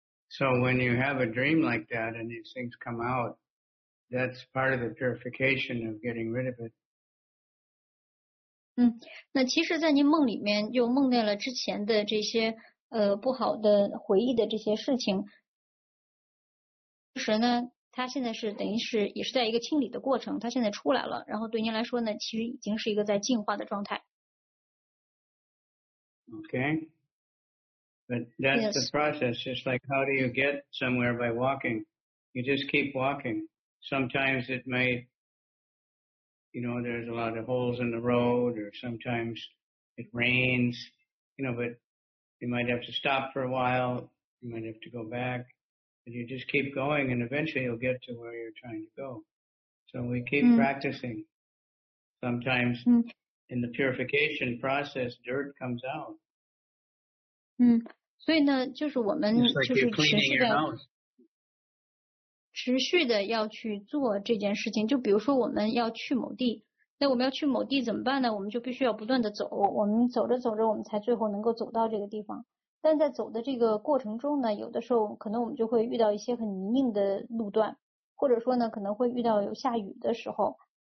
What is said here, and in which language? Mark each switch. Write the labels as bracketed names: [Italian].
[English] So when you have a dream like that and these things come out, that's part of the purification of getting rid of it. [Chinese] 那其实在您梦里面又梦见了之前的这些不好的回忆的这些事情，其实呢它现在是等于是也是在一个清理的过程，它现在出来了，然后对您来说呢其实已经是一个在进化的状态。 [English] Okay. But that's the process. Just like how do you get somewhere by walking? You just keep walking. Sometimes it may, you know, there's a lot of holes in the road, or sometimes it rains, you know, but you might have to stop for a while. You might have to go back. But you just keep going and eventually you'll get to where you're trying to go. So we keep practicing. Sometimes in the purification process, dirt comes out. [Chinese] 所以呢就是我们就是持续的要去做这件事情，就比如说我们要去某地，那我们要去某地怎么办呢？我们就必须要不断的走，我们走着走着我们才最后能够走到这个地方，但在走的这个过程中呢，有的时候可能我们就会遇到一些很泥泞的路段，或者说呢可能会遇到有下雨的时候，